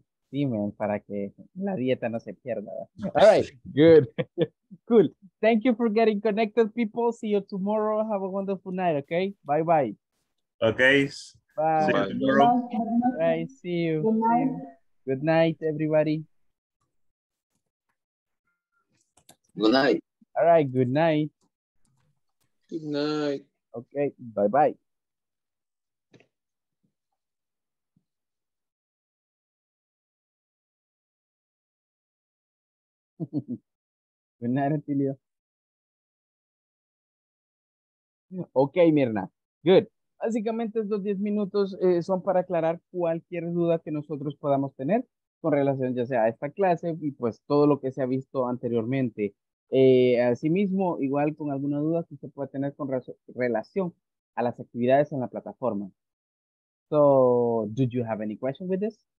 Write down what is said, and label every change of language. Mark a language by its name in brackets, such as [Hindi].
[Spanish] Sí, man, para que la dieta no se pierda. [English] All right, good. Cool. Thank you for getting connected, people. See you tomorrow. Have a wonderful night, okay? Bye-bye. Okay. Bye. See you tomorrow. Bye. See you. Good night, everybody. Good night. All right. Good night. Good night. Okay. Bye bye. Good night, Antilio. Ok, Mirna. Good. [Spanish] Básicamente estos 10 minutos son para aclarar cualquier duda que nosotros podamos tener con relación ya sea a esta clase y pues todo lo que se ha visto anteriormente. Asimismo, igual con alguna duda que usted pueda tener con relación a las actividades en la plataforma. [English] So, do you have any question with this?